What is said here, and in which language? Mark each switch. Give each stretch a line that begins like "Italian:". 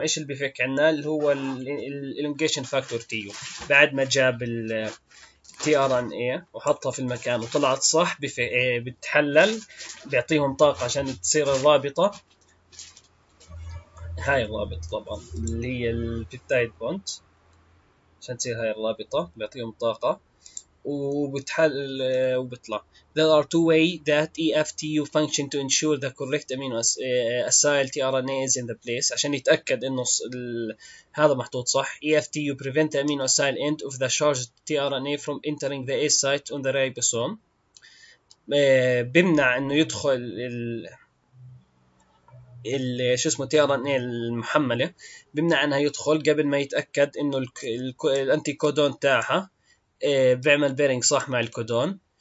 Arabic: ايش اللي بفك عنا اللي هو الالونجيشن فاكتور تي يو، بعد ما جاب التي ار ان اي وحطها في المكان وطلعت صح بتحلل بيعطيهم طاقة عشان تصير الرابطة، هاي الرابط طبعا اللي هي البيبتايد بوند عشان تصير هاي الرابطة بيعطيهم طاقة وبتحل وبطلع.
English: There are two way that EFTU function to ensure the correct amino acyl tRNA is in the place،
Arabic: عشان يتأكد انه هذا محطوط صح.
English: EFTU prevent the amino acyl end of the charged tRNA from entering the A site on the ribosome،
Arabic: بمنع انه يدخل شو اسمه تي ار ان اي المحمله، بيمنع انها يدخل قبل ما يتاكد انه الانتي كودون تاعها بيعمل بيرنج صح مع الكودون.